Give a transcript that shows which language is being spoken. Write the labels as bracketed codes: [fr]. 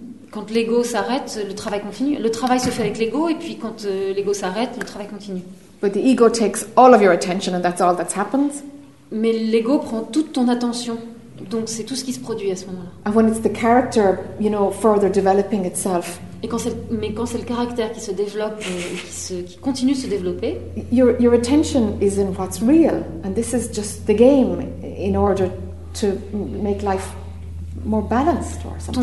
[fr] Quand l'ego s'arrête, le travail continue. Le travail se fait avec l'ego, et puis quand l'ego s'arrête, le travail continue. [en] But the ego takes all of your attention, and that's all that happens. [fr] Mais l'ego prend toute ton attention, donc c'est tout ce qui se produit à ce moment-là. [en] And when it's the character, you know, further developing itself. [fr] Mais quand c'est le caractère qui se développe, qui continue de se développer. [en] Your attention is in what's real, and this is just the game in order to make life more balanced or something.